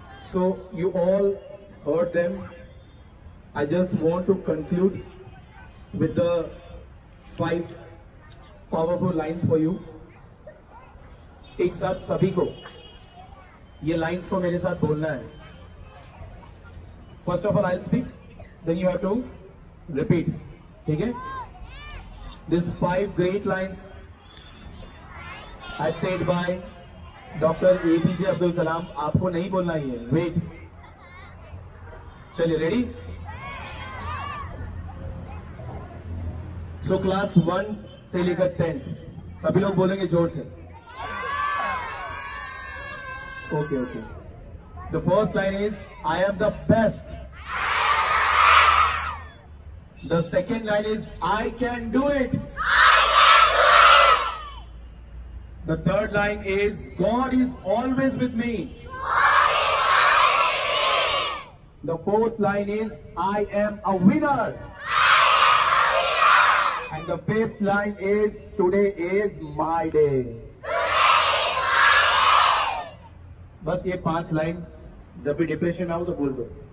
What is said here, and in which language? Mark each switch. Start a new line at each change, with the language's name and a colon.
English: So you all heard them. I just want to conclude with the 5 powerful lines for you.
Hindi: Ek saath sabhi ko ye lines ko mere saath bolna hai.
English: First of all I'll speak, then you have to repeat,
Hindi: theek hai?
English: This 5 great lines I said by doctor APJ Abdul Kalam,
Hindi: आपको नहीं बोलना ही है। Wait, चलिए ready. So class 1 से लेकर 10 सभी लोग बोलेंगे जोर से।
English: Okay okay. The first line is I am the best. The second line is I can do it. The third line is God is always with me. God is always with me. The fourth line is I am a winner. I am a winner. And the fifth line is today is my day. Today is my day.
Hindi: बस ये 5 line, जब भी depression आओ तो बोल दो।